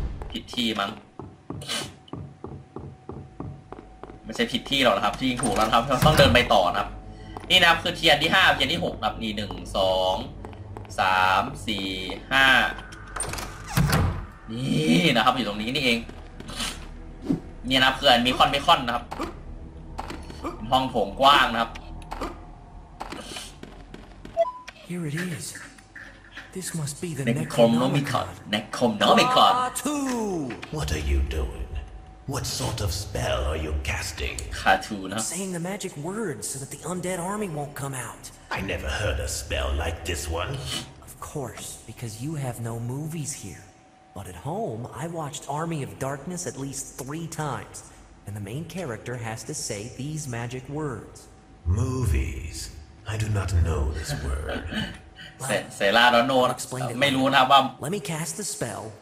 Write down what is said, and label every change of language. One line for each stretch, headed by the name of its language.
Thai: ผิดที่มั้งไม่ใช่ผิดที่หรอกนะครับที่ถูกแล้วครับต้องเดินไปต่อนะครับนี่นะครับคือเทียนที่5เทียนที่6นะครับนี่1 2 3 4 5นี่นะครับอยู่ตรงนี้นี่เองนี่นะครับคือมีคอนไม่คอนนะครับห้องโถงกว้างนะครับ
English: Here it isThis must be the Necronomicon. Necronomicon. What are you doing? What sort of spell are you casting? Cartoon, huh? Saying the magic words so that the undead army won't come out. I never heard a spell like this one. Of course, because you have no movies here. But at home, I watched Army of Darkness at least 3 times. And the main character has to say these magic words. Movies? I do not know this word.
Thai: เซราโนนไม่รู้นะว่า
English: Let me cast the spell.